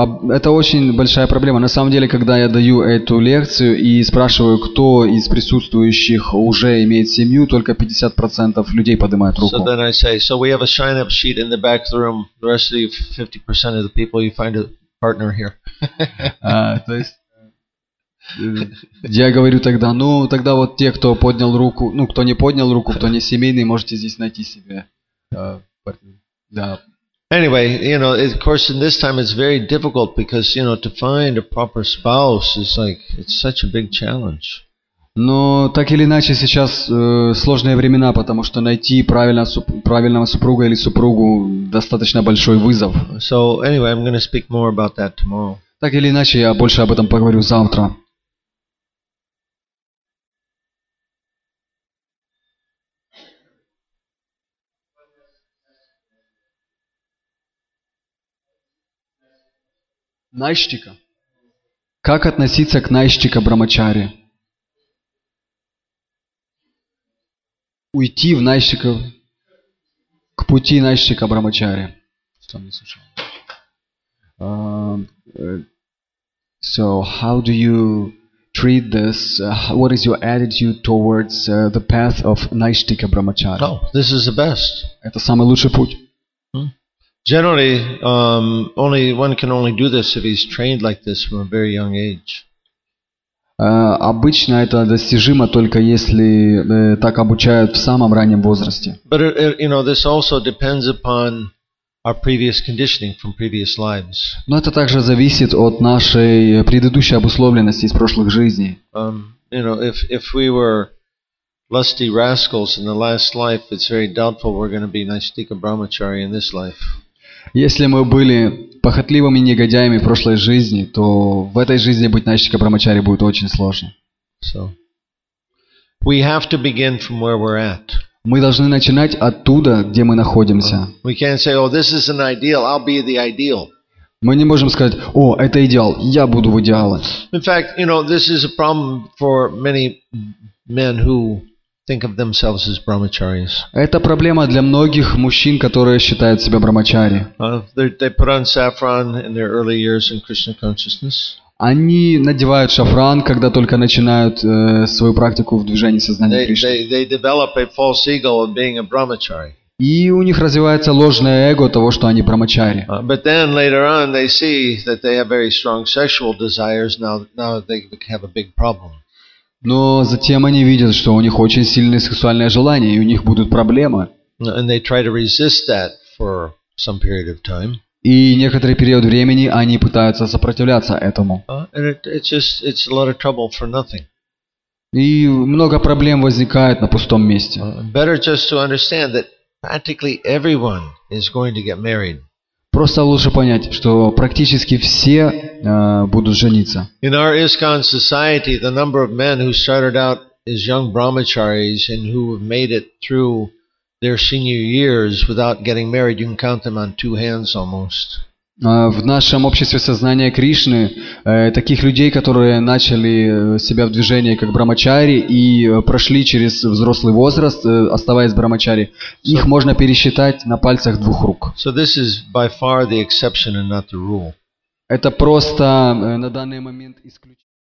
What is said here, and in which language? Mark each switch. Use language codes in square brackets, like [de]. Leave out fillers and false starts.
[ru] Это очень большая проблема. На самом деле, когда я даю эту лекцию и спрашиваю, кто из присутствующих уже имеет семью, только 50% людей поднимают руку. [en] So then I say, so we have a sign-up sheet in the back of the room. The rest of you, 50% of the people, you find a partner here. [ru] Я говорю тогда, ну тогда вот те, кто поднял руку, ну кто не поднял руку, кто не семейный, можете здесь найти себе. Да. [en] Anyway, you know, of course, in this time it's very difficult because, you know, to find a proper spouse is like it's such a big challenge. [ru] Но так или иначе сейчас сложные времена, потому что найти правильного супруга или супругу достаточно большой вызов. [en] So anyway, I'm going to speak more about that tomorrow. [ru] Так или иначе я больше об этом поговорю завтра. Найштика. Как относиться к найштика брамачари? Уйти в найштика, к пути найштика брамачари. Что не слышал? [en] So how do you treat this? What is your attitude towards the path of найштика брамачари? Oh, this is the best. [ru] Это самый лучший путь. [en] Generally, one can only do this if he's trained like this from a very young age. [ru] Обычно это достижимо только если так обучают в самом раннем возрасте. [en] But it, you know, this also depends upon our previous conditioning from previous lives. [ru] Но это также зависит от нашей предыдущей обусловленности из прошлых жизней. [en] You know, if we were lusty rascals in the last life, it's very doubtful we're going to be Naishthika Brahmachari in this life. [ru] Если мы были похотливыми негодяями в прошлой жизни, то в этой жизни быть Наишхика Брахмачари будет очень сложно. [en] So, we have to begin from where we're at. [ru] Мы должны начинать оттуда, где мы находимся. [en] We can't say, oh, this is an ideal, I'll be the ideal. [ru] Мы не можем сказать, о, это идеал, я буду в идеале. [en] In fact, you know, this is a problem for many men who think of themselves as brahmacharis. [ru] Это проблема для многих мужчин, которые считают себя брахмачари. [en] They put on saffron in their early years in Krishna consciousness. [ru] Они надевают шафран, когда только начинают свою практику в движении сознания Кришны. [en] They develop a false ego of being a brahmachari. [ru] И у них развивается ложное эго того, что они брахмачари. [en] But then later on they see that they have very strong sexual desires. Now they have a big problem. [ru] Но затем они видят, что у них очень сильные сексуальные желания, и у них будут проблемы. [en] And they try to resist that for some period of time. [ru] И некоторый период времени они пытаются сопротивляться этому. [en] It's a lot of trouble for nothing. [ru] И много проблем возникает на пустом месте. [en] Better just to understand that practically everyone is going to get married. [ru] Просто лучше понять, что практически все будут жениться. [en] In our ISKCON society, the number of men who started out as young brahmacharis and who have made it through their senior years without getting married, you can count them on two hands almost. [ru] В нашем обществе сознания Кришны таких людей, которые начали себя в движении как брахмачари и прошли через взрослый возраст, оставаясь брахмачари, их можно пересчитать на пальцах двух рук. [en] So this is by far the exception and not the rule. [ru] Это просто на данный момент исключение.